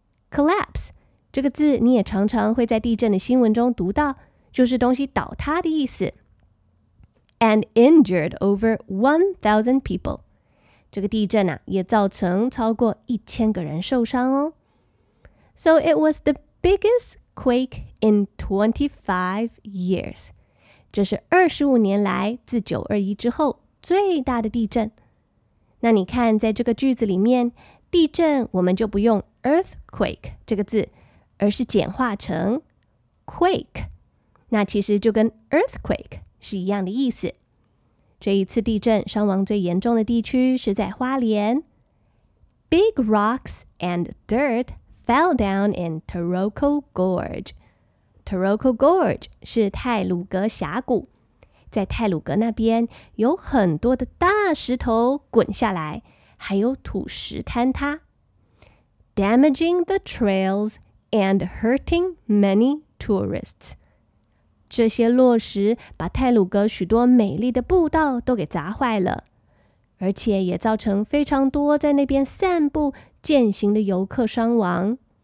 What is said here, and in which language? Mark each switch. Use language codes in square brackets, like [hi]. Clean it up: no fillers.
[zh] Collapse, 这个字你也常常会在地震的新闻中读到，就是东西倒塌的意思。 [en] And injured over 1,000 people. [zh] 这个地震啊，也造成超过1,000个人受伤哦。 [en] So it was the biggest quake in 25 years. [zh] 这是25年来自921之后最大的地震。那你看在这个句子里面，地震我们就不用 earthquake 这个字，而是简化成 quake。那其实就跟 earthquake 是一样的意思。这一次地震伤亡最严重的地区是在花莲。 [en] Big rocks and dirt fell down in Taroko Gorge. [zh] Taroko Gorge 是太鲁阁峡谷，在太鲁阁那边有很多的大石头滚下来，还有土石坍塌。 [en] Damaging the trails and hurting many tourists. [zh] 这些落石把太鲁阁许多美丽的步道都给砸坏了，而且也造成非常多在那边散步健行的游客伤亡。